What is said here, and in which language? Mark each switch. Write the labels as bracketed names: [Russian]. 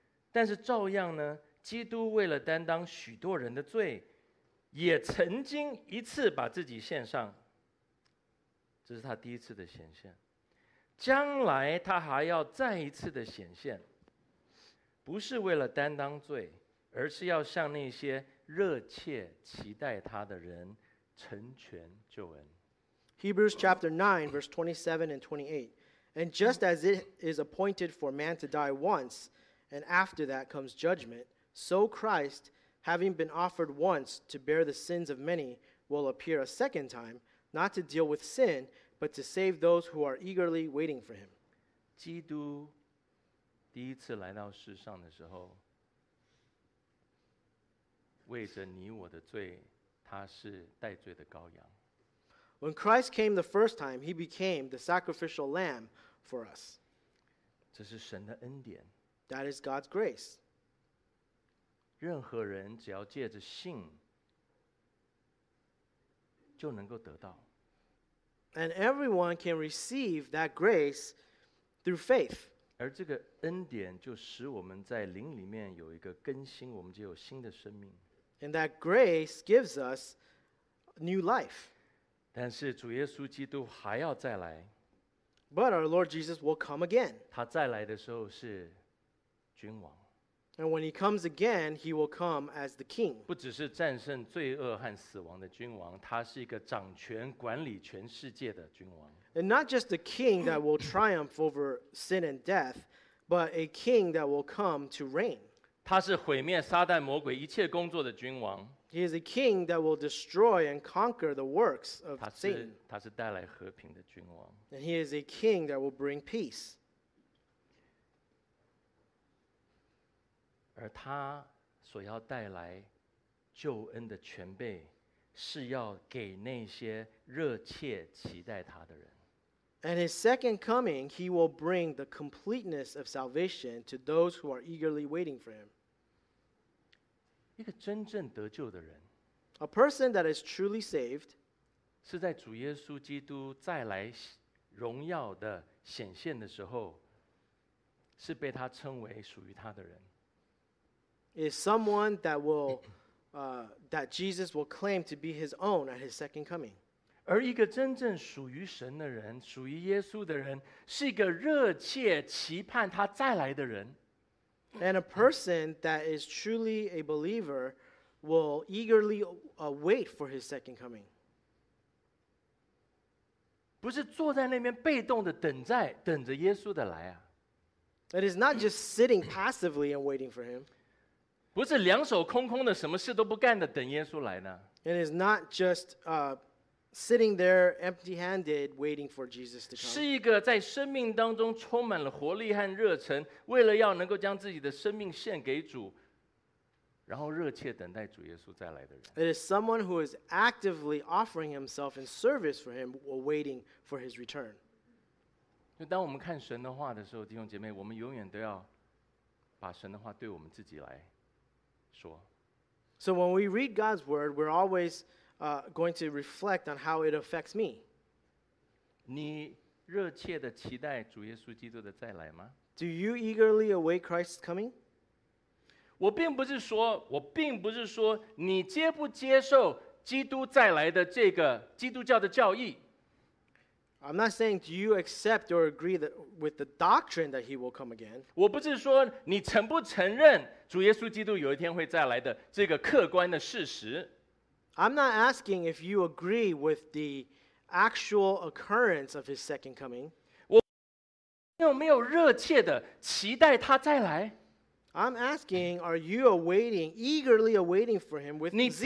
[Chinese] 但是照样呢，基督为了担当许多人的罪，也曾经一次把自己献上，这是他第一次的显现。将来他还要再一次的显现，不是为了担当罪，而是要向那些热切期待他的人成全救恩。 [English] Hebrews chapter 9 verse 27 and 28. And just as it is appointed for man to die once, and after that comes judgment, so Christ, having been offered once to bear the sins of many, will appear a second time, not to deal with sin, but to save those who are eagerly waiting for him. [Chinese] 基督第一次来到世上的时候，为着你我的罪，他是代罪的羔羊。 [English] When Christ came the first time, he became the sacrificial lamb for us. [Chinese] 这是神的恩典。 [English] That is God's grace. [Chinese] 任何人只要借着信，就能够得到。 [English] And everyone can receive that grace through faith. [Chinese] 而这个恩典就使我们在灵里面有一个更新，我们就有新的生命。 [English] And that grace gives us new life. [Chinese] 但是主耶稣基督还要再来。 [English] But our Lord Jesus will come again. [Chinese] 他再来的时候是君王。 [English] And when he comes again, he will come as the king. [Chinese] 不只是战胜罪恶和死亡的君王，他是一个掌权管理全世界的君王。 [English] And not just a king that will triumph over sin and death, but a king that will come to reign. [Chinese] 他是毁灭撒旦魔鬼一切工作的君王。 [English] He is a king that will destroy and conquer the works of Satan. [Chinese] 他是带来和平的君王。 [English] And he is a king that will bring peace. [Chinese] 而他所要带来救恩的全备，是要给那些热切期待他的人。 [English] And his second coming, he will bring the completeness of salvation to those who are eagerly waiting for him. [Chinese] 一个真正得救的人， [English] A person that is truly saved, [Chinese] 是在主耶稣基督再来荣耀的显现的时候，是被他称为属于他的人。 [English] Is someone that will, that Jesus will claim to be his own at his second coming. [Chinese] 而一个真正属于神的人，属于耶稣的人，是一个热切期盼他再来的人。 [English] And a person that is truly a believer will eagerly wait for his second coming. [Chinese] 不是坐在那边被动的等在，等着耶稣的来啊。 [English] It is not just sitting passively and waiting for him. [Chinese] 不是两手空空的，什么事都不干的等耶稣来呢。 [English] It is not just sitting there empty-handed waiting for Jesus to come. [Chinese] 是一个在生命当中充满了活力和热忱，为了要能够将自己的生命献给主，然后热切等待主耶稣再来的人。 [English] It is someone who is actively offering himself in service for him, waiting for his return. [Chinese] 就当我们看神的话的时候，弟兄姐妹，我们永远都要把神的话对我们自己来说。 [English] So when we read God's word, we're always going to reflect on how it affects me. [Chinese] 你热切地期待主耶稣基督的再来吗？ [English] Do you eagerly await Christ's coming? [Chinese] 我并不是说你接不接受基督再来的这个基督教的教义。 [English] I'm not saying do you accept or agree that with the doctrine that he will come again. [Chinese] 我不是说你承不承认主耶稣基督有一天会再来的这个客观的事实。 [English] I'm not asking if you agree with the actual occurrence of his second coming. [Chinese] 有没有热切的期待他再来？ [English] I'm asking, are you awaiting, eagerly awaiting for him with zeal?